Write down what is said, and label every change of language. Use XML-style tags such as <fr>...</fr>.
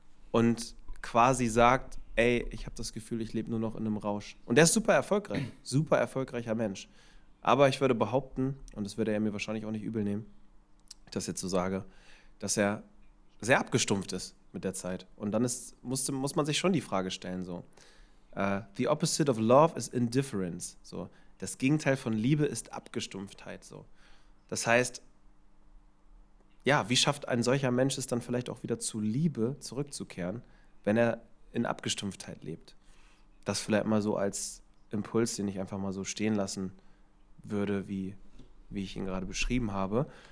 <de>Und quasi sagt, ey, ich habe das Gefühl, ich lebe nur noch in einem Rausch. Und der ist super erfolgreich, super erfolgreicher Mensch. Aber ich würde behaupten, und das würde er mir wahrscheinlich auch nicht übel nehmen, dass ich jetzt so sage, dass er sehr abgestumpft ist mit der Zeit. Und dann muss man sich schon die Frage stellen, so.</de> <en>The opposite of love is indifference, so.</en> <de>Das Gegenteil von Liebe ist Abgestumpftheit. So. Das heißt, ja, wie schafft ein solcher Mensch es dann vielleicht auch wieder zu Liebe zurückzukehren, wenn er in Abgestumpftheit lebt? Das vielleicht mal so als Impuls, den ich einfach mal so stehen lassen würde, wie ich ihn gerade beschrieben habe.</de>